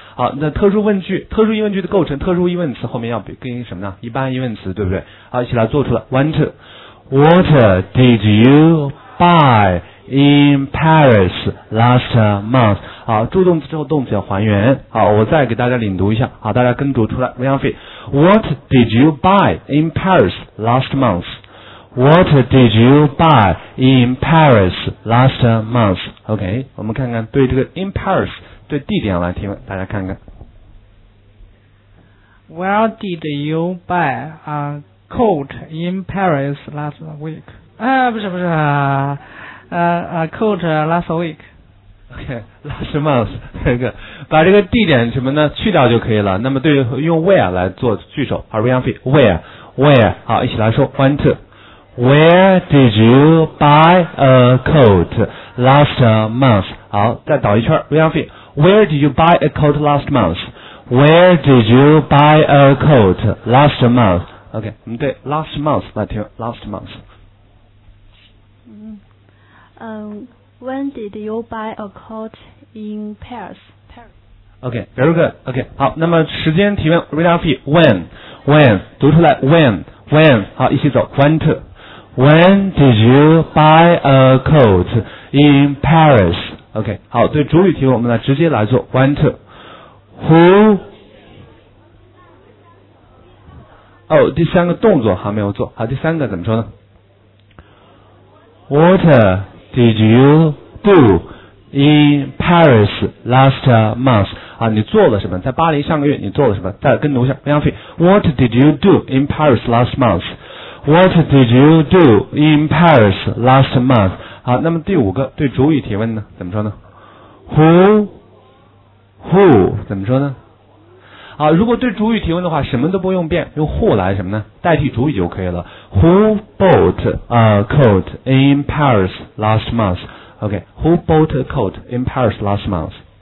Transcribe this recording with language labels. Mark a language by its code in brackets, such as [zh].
[zh] 好，那特殊问句，特殊疑问句的构成，特殊疑问词后面要跟什么呢？一般疑问词，对不对？好，一起来做出了。 [en] One, two. What did you buy? In Paris last month. [zh] 好，助动词之后动词要还原。好，我再给大家领读一下。好，大家跟读出来。 [en] Repeat. What did you buy in Paris last month? What did you buy in Paris last month? [zh] OK， 我们看看对这个 in Paris 对地点来提问，大家看看。 [en] Where did you buy a coat in Paris last week? [zh] 不是。 [en] A coat last week. Last month. [zh] 把这个地点什么呢去掉就可以了。那么对于用 where 来做句首。 [en] Where? [zh] 好，一起来说。 [en] One, two. Where did you buy a coat last month? [zh] 好，再倒一圈。 [en] Where did you buy a coat last month? Where did you buy a coat last month? [zh] OK, 我们对 last month 来听。 [en] Last month. When did you buy a coat in Paris? OK, very good. [zh] OK, 好，那么时间提问 When 读出来 When 好，一起走 When [en] did you buy a coat in Paris? [zh] OK, 好，对主语提问我们来直接来做 When to [en] Who [zh] Oh, 第三个动作还没有做好，第三个怎么说呢 [en] What did you do in Paris last month? [zh] 啊，你做了什么？在巴黎上个月你做了什么？再跟读一下。 [en] What did you do in Paris last month? What did you do in Paris last month? [zh] 好，那么第五个对主语提问呢？怎么说呢？ Who 怎么说呢？啊，如果对主语提问的话，什么都不用变，用 who 来什么呢？代替主语就可以了。 [en] Who bought a coat in Paris last month? OK, who bought a coat in Paris last month?